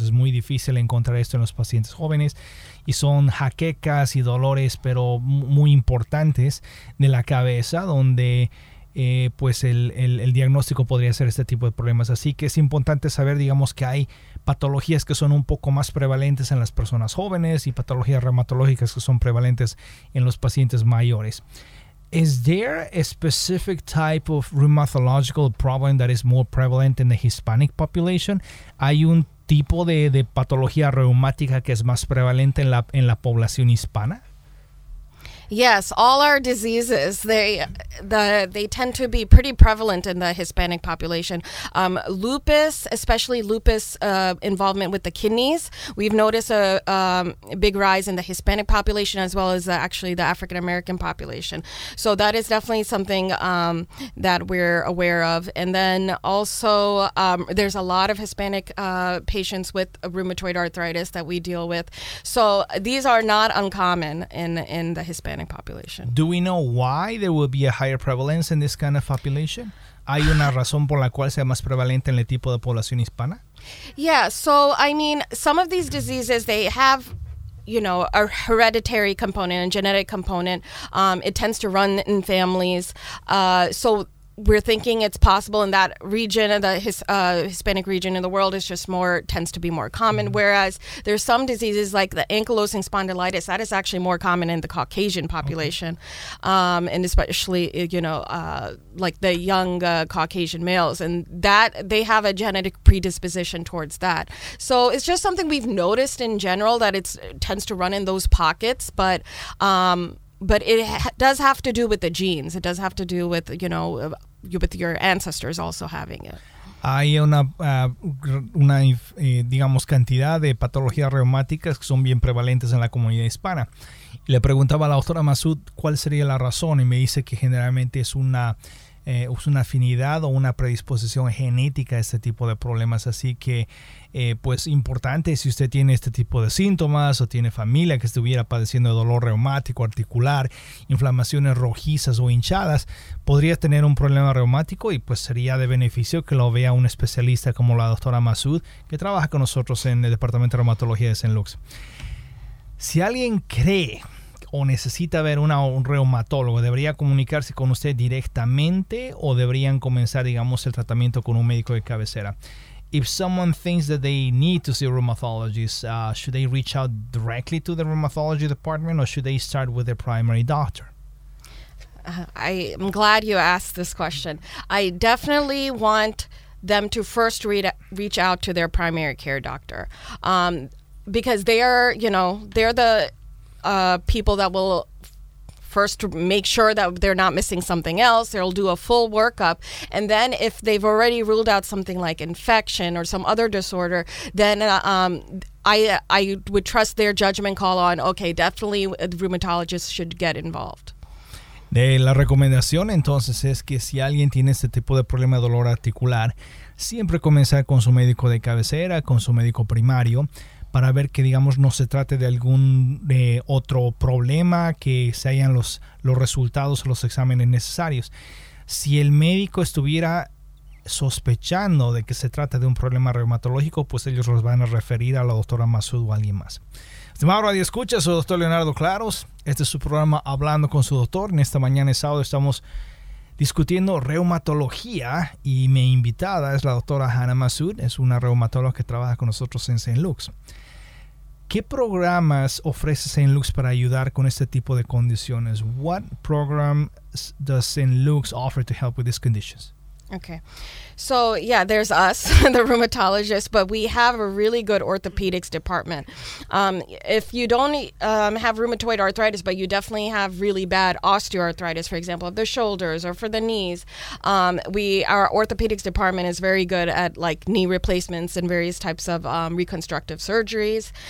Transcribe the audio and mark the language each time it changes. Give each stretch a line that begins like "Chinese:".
Spanish: Es muy difícil encontrar esto en los pacientes jóvenes y son jaquecas y dolores, pero muy importantes de la cabeza, donde pues el diagnóstico podría ser este tipo de problemas. Así que es importante saber, digamos, que hay patologías que son un poco más prevalentes en las personas jóvenes y patologías reumatológicas que son prevalentes en los pacientes mayores.
English: Is there a specific type of rheumatological problem that is more prevalent in the Hispanic population?
Spanish: ¿Hay un tipo de patología reumática que es más prevalente en la población hispana?
English: Yes, all our diseases, they tend to be pretty prevalent in the Hispanic population. Lupus, especially lupus involvement with the kidneys, we've noticed a big rise in the Hispanic population as well as actually the African-American population. So that is definitely something that we're aware of. And then also there's a lot of Hispanic patients with rheumatoid arthritis that we deal with. So these are not uncommon in the Hispanic population. Do we know why there will be a higher prevalence in this kind of population?
Spanish: ¿Hay una razón por la cual sea más prevalente en el tipo de población hispana?
English: Yeah, so I mean, some of these diseases, they have, you know, a hereditary component, a genetic component. It tends to run in families. So we're thinking it's possible in that region, the Hispanic region in the world, is just more, tends to be more common. Mm-hmm. Whereas there's some diseases like the ankylosing spondylitis, that is actually more common in the Caucasian population. Okay. And especially, you know, like the young Caucasian males, and that they have a genetic predisposition towards that. So it's just something we've noticed in general that it's, it tends to run in those pockets. But it does have to do with the genes. It does have to do with, you know, with your ancestors also having it.
Spanish: Hay una digamos, cantidad de patologías reumáticas que son bien prevalentes en la comunidad hispana. Le preguntaba a la doctora Massoud cuál sería la razón y me dice que generalmente es una afinidad o una predisposición genética a este tipo de problemas. Así que, pues, importante si usted tiene este tipo de síntomas o tiene familia que estuviera padeciendo de dolor reumático, articular, inflamaciones rojizas o hinchadas, podría tener un problema reumático y, pues, sería de beneficio que lo vea un especialista como la doctora Massoud, que trabaja con nosotros en el Departamento de Reumatología de St. Luke's. Si alguien cree o necesita ver una, un reumatólogo, ¿debería comunicarse con usted directamente o deberían comenzar, digamos, el tratamiento con un médico de cabecera?
English: If someone thinks that they need to see a rheumatologist, should they reach out directly to the rheumatology department or should they start with their primary doctor? I'm glad you asked this question. I definitely want them to first reach out to their primary care doctor because they are, you know, they're the people that will first make sure that they're not missing something else. They'll do a full workup. And then if they've already ruled out something like infection or some other disorder, then I would trust their judgment call on, okay, definitely rheumatologists should get involved.
Spanish: De la recomendación, entonces, es que si alguien tiene este tipo de problema de dolor articular, siempre comenzar con su médico de cabecera, con su médico primario, para ver que, digamos, no se trate de algún otro problema, que se hayan los resultados o los exámenes necesarios. Si el médico estuviera sospechando de que se trata de un problema reumatológico, pues ellos los van a referir a la doctora Massoud o a alguien más. Estimado Radio Escucha, soy doctor Leonardo Claros. Este es su programa Hablando con su Doctor. En esta mañana, el sábado, estamos discutiendo reumatología y mi invitada es la doctora Hannah Massoud, es una reumatóloga que trabaja con nosotros en St. Luke's. ¿Qué programas ofrece St. Luke's para ayudar con este tipo de condiciones?
English: What programs does St. Luke's offer to help with these conditions? Okay. So, yeah, there's us, the rheumatologists, but we have a really good orthopedics department. If you don't have rheumatoid arthritis, but you definitely have really bad osteoarthritis, for example, of the shoulders or for the knees, our orthopedics department is very good at, like, knee replacements and various types of reconstructive surgeries.